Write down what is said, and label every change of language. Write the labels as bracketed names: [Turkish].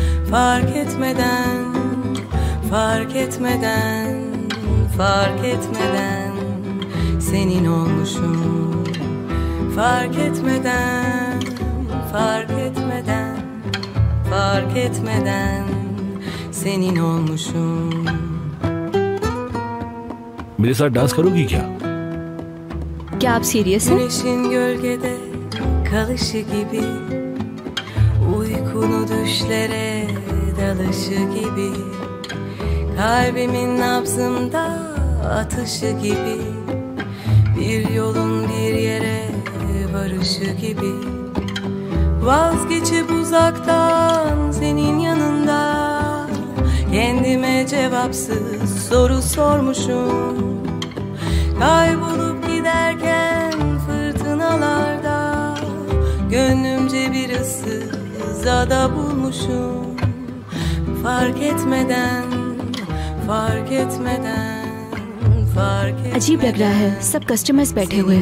[Turkish] Fark etmeden, fark etmeden, fark etmeden senin olmuşum. Fark etmeden, fark etmeden, fark etmeden senin olmuşum. [Hindi] मेरे साथ dance करोगी क्या? क्या आप सीरियस हैं? [Turkish] Güneşin gölgede kalışı gibi, uykunu düşlere dalışı gibi. Kalbimin nabzımda atışı gibi, bir yolun bir yere varışı gibi. Vazgeçip uzaktan senin yanında, kendime cevapsız soru sormuşum. Kaybolup giderken fırtınalarda, gönlümce bir ıssız ada bulmuşum. Fark etmeden, fark etmeden, fark etmeden. [Hindi] अजीब लग रहा है, सब customers बैठे हुए